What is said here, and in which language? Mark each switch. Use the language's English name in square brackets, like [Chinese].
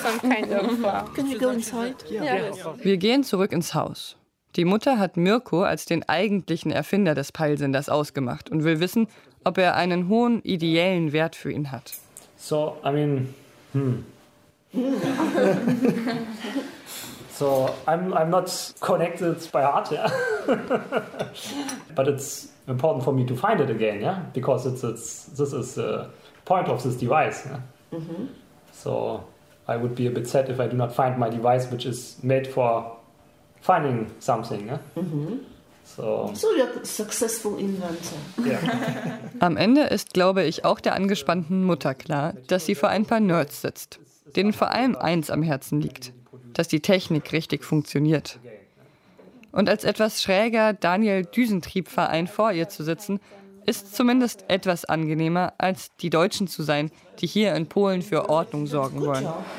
[German] Wir gehen zurück ins Haus. Die Mutter hat Mirko als den eigentlichen Erfinder des Peilsenders ausgemacht und will wissen, ob er einen hohen ideellen Wert für ihn hat. [English] So, I mean, So, I'm not connected by heart, yeah. But it's important for me to find it again, yeah, because it's this is the point of this device, yeah. Mm-hmm. So, I would be a bit sad if I do not find my device, which is made for finding something, yeah. Mm-hmm. So, you're a successful inventor. Yeah. [German] Am Ende ist, glaube ich, auch der angespannten Mutter klar, dass sie vor ein paar Nerds sitzt, denen vor allem eins am Herzen liegt, dass die Technik richtig funktioniert. Und als etwas schräger Daniel-Düsentriebverein vor ihr zu sitzen, ist zumindest etwas angenehmer, als die Deutschen zu sein, die hier in Polen für Ordnung sorgen wollen.